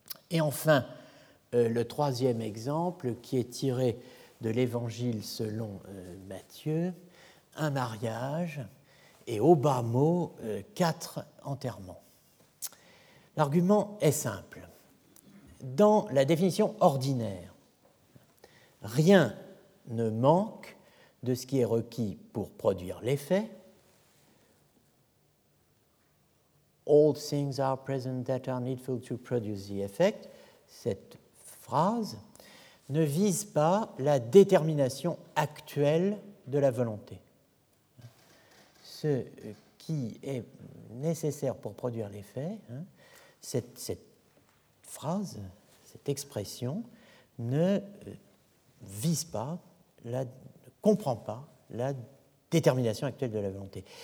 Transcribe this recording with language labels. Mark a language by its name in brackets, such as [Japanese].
[French] Et enfin, le troisième exemple, qui est tiré de l'Évangile selon Matthieu, un mariage et au bas mot, quatre enterrements. L'argument est simple. Dans la définition ordinaire, rien ne manque de ce qui est requis pour produire l'effet. [English] All things are present that are needful to produce the effect. [French] Cette phrase ne vise pas la détermination actuelle de la volonté. Ce qui est nécessaire pour produire l'effet, cette phrase, cette expression, ne vise pas, ne comprend pas la détermination actuelle de la volonté.